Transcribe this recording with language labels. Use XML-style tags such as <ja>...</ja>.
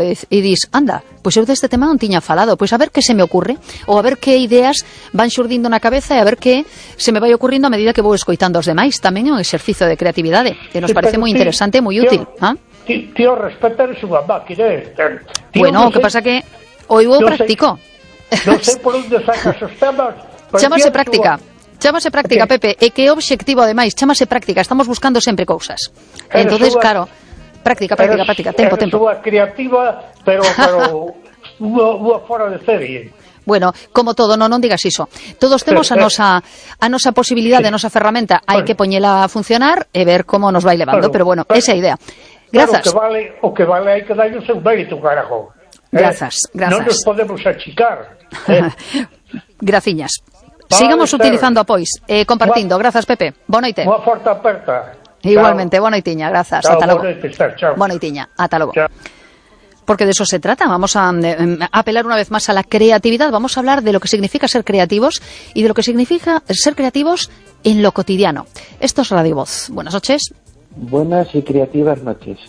<gl>E dis, anda, pois eu deste tema non tiña falado. Pois a ver que se me ocurre, ou a ver que ideas van xurdindo na cabeza e a ver que se me vai ocurrindo a medida que vou escoitando os demais. Tamén é un exercicio de creatividade, que nos parece moi interesante e moi útil. Tío, respetar a súa máquina. Bueno, o que pasa que hoy vou practico. Non sei por onde sacas os temas. Chámase práctica. Chámase práctica, Pepe. E que obxectivo, ademais, chámase práctica. Estamos buscando sempre cousas. Entón, claro, práctica, práctica, práctica. Tempo, tempo. Súa creativa, pero unha fora de serie. Bueno, como todo, non digas iso. Todos temos a nosa posibilidade, a nosa ferramenta. Hai que poñela a funcionar e ver como nos vai levando. Pero bueno, esa é a idea. Grazas. O que vale hai que darlle o seu mérito, carajo. Grazas. Non nos podemos achicar. Graciñas. Vale, sigamos Esther utilizando apois, compartindo. Grazas, Pepe. Boa noite. Unha forte aperta. Igualmente, boa noitiña, grazas. Chao, ata logo. Boa noitiña, ata logo.</gl> <es>Porque de eso se trata. Vamos a apelar</es> <gl>unha vez máis</gl> <es>a la creatividad. Vamos a hablar de lo que significa ser creativos e de lo que significa ser creativos en lo cotidiano. Esto es Radio Voz. Buenas noches. Buenas y creativas noches.</es>